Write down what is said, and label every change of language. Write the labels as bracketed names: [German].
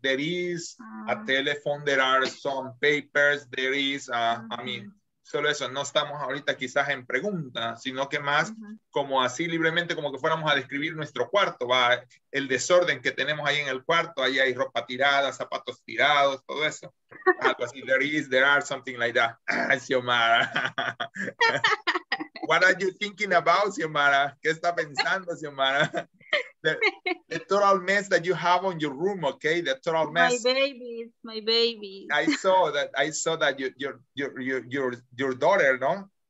[English] There is a telephone, there are some papers, there is, I mean, [Spanish] solo eso. No estamos ahorita quizás en pregunta, sino que más como así libremente, como que fuéramos a describir nuestro cuarto, va, el desorden que tenemos ahí en el cuarto, ahí hay ropa tirada, zapatos tirados, todo eso. Algo así, [English] there is, there are, something like that. Xiomara. What are you thinking about, Xiomara? [Spanish] ¿Qué está pensando, Xiomara? [English] The total mess that you have on your room, okay? The total mess. My baby. I saw that your daughter, no?